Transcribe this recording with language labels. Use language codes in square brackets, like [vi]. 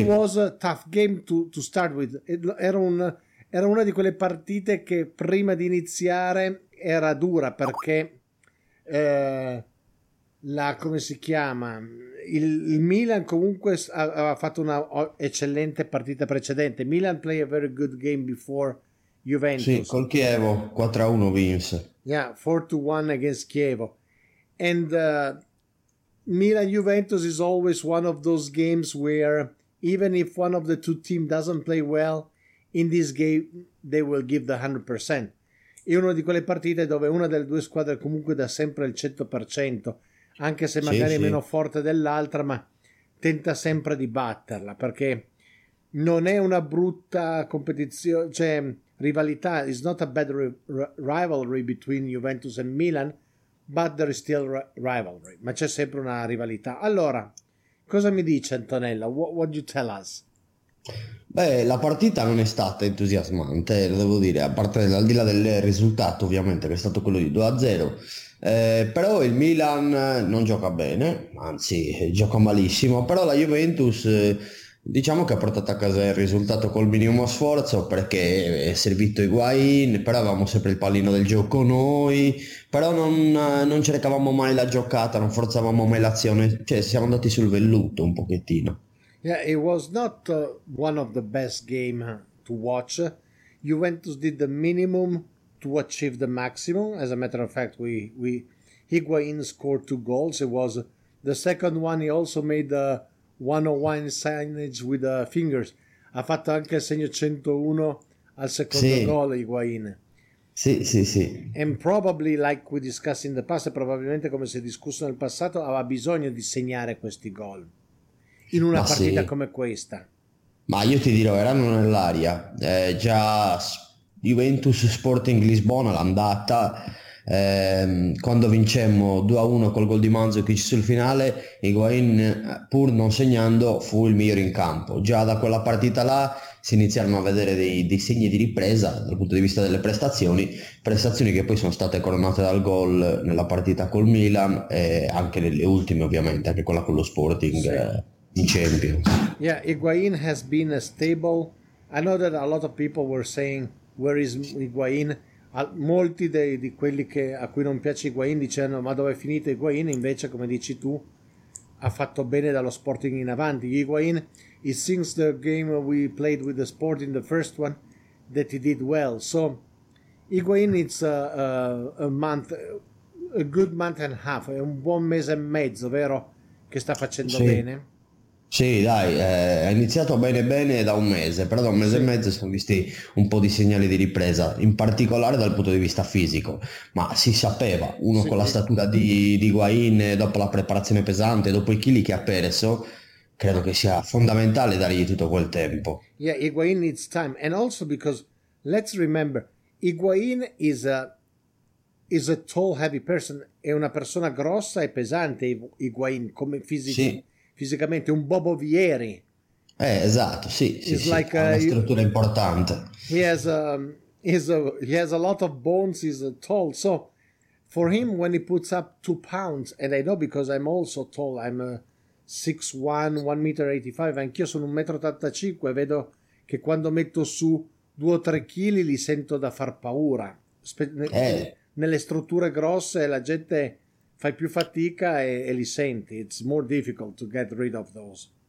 [en] It was a tough game to start with. [it] Era una di quelle partite che prima di iniziare era dura, perché il Milan comunque aveva fatto una eccellente partita precedente. [en] Milan play a very good game before Juventus. [it] Sì, col Chievo 4-1 vinse. [en] Yeah, 4-1 against Chievo. And Milan Juventus is always one of those games where even if one of the two teams doesn't play well, in this game they will give the 100%. [it] È una di quelle partite dove una delle due squadre comunque dà sempre il 100%, anche se magari meno forte dell'altra, ma tenta sempre di batterla, perché non è una brutta competizione, cioè rivalità. [en] It's not a bad rivalry between Juventus and Milan, but there is still rivalry. [it] Ma c'è sempre una rivalità. Allora, cosa mi dice Antonella? [en] What do you tell us? [it] Beh, la partita non è stata entusiasmante, lo devo dire, a parte al di là del risultato ovviamente, che è stato quello di 2-0, però il Milan non gioca bene, anzi gioca malissimo, però la Juventus diciamo che ha portato a casa il risultato col minimo sforzo, perché è servito Higuain, però avevamo sempre il pallino del gioco noi, però non cercavamo mai la giocata, non forzavamo mai l'azione, cioè siamo andati sul velluto un pochettino. [en] Yeah, it was not one of the best game to watch. Juventus did the minimum to achieve the maximum. As a matter of fact, we Higuain scored two goals. It was the second one. He also made the 101 signage with the fingers. [it] Ha fatto anche il segno 101 al secondo goal, Higuain. Sì. [en] And probably, like we discussed in the past, [it] probabilmente come si è discusso nel passato, aveva bisogno di segnare questi gol in una partita come questa. Ma io ti dirò, erano nell'aria. Già Juventus Sporting Lisbona, l'andata, quando vincemmo 2-1 col gol di Mandzukic sul finale, Higuain, pur non segnando, fu il migliore in campo. Già da quella partita là si iniziarono a vedere dei segni di ripresa dal punto di vista delle prestazioni che poi sono state coronate dal gol nella partita col Milan e anche nelle ultime, ovviamente, anche quella con lo Sporting. Sì. Champions. [en] Yeah, Higuain has been a stable. I know that a lot of people were saying, where is Higuain? [it] Molti di quelli che, a cui non piace Higuain, dicendo, ma dove è finito Higuain? Invece, come dici tu, ha fatto bene dallo Sporting in avanti. [en] Higuain, it seems the game we played with the Sporting, the first one, that he did well. So, Higuain, it's a month, a good month and a half, [it] è un buon mese e mezzo, vero? Che sta facendo bene. Sì, dai, ha iniziato bene da un mese, però da un mese e mezzo sono visti un po' di segnali di ripresa, in particolare dal punto di vista fisico, ma si sapeva, uno con la statura di Higuain, dopo la preparazione pesante, dopo i chili che ha perso, credo che sia fondamentale dargli tutto quel tempo. [en] Yeah, Higuain needs time, and also because, let's remember, Higuain is a tall, heavy person, [it] è una persona grossa e pesante, Higuain, come fisico. Sì. Fisicamente un Bobo Vieri. Esatto, sì, sì, sì. Like, ha una struttura importante. [en] He has a lot of bones, he's tall. So For him, when he puts up 2 pounds, and I know because I'm also tall, I'm 6'1", 1.85 m, [it] anch'io sono 1.85 m, vedo che quando metto su 2 o 3 kg li sento da far paura. Nelle strutture grosse la gente fa più fatica e li senti. [en] It's more difficult to get rid of those.